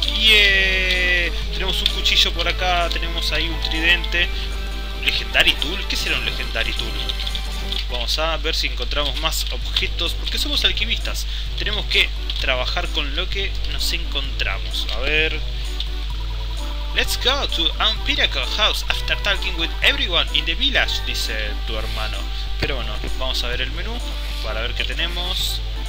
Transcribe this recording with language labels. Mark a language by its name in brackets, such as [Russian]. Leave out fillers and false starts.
[Spanish] Tenemos un cuchillo por acá, tenemos ahí un tridente. ¿Legendary Tool? ¿Qué será un Legendary Tool? Vamos a ver si encontramos más objetos, porque somos alquimistas. Tenemos que trabajar con lo que nos encontramos. A ver... [English] Let's go to Empirical House after talking with everyone in the village, [Spanish] dice tu hermano. Pero bueno, vamos a ver el menú para ver qué tenemos.